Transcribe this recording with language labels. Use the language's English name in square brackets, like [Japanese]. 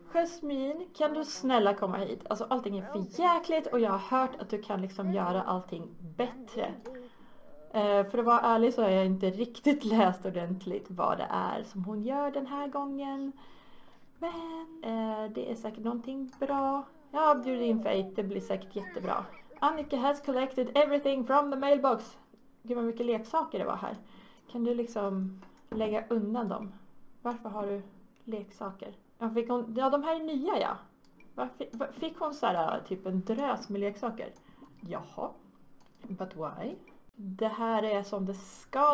[Swedish] Jasmin, kan du snälla komma hit? Alltså allting är för jäkligt och jag har hört att du kan liksom göra allting bättre. För att vara ärlig så har jag inte riktigt läst ordentligt vad det är som hon gör den här gången. Men det är säkert någonting bra. Jag bjuder in Fate, det blir säkert jättebra. [English] Annika has collected everything from the mailbox. [Swedish] Gud vad mycket leksaker det var här. Kan du liksom lägga undan dem? Varför har du leksaker? Ja, de här är nya, ja. Fick hon så här typ en drös med leksaker? Jaha. [English] But why? [Swedish] Det här är som det ska.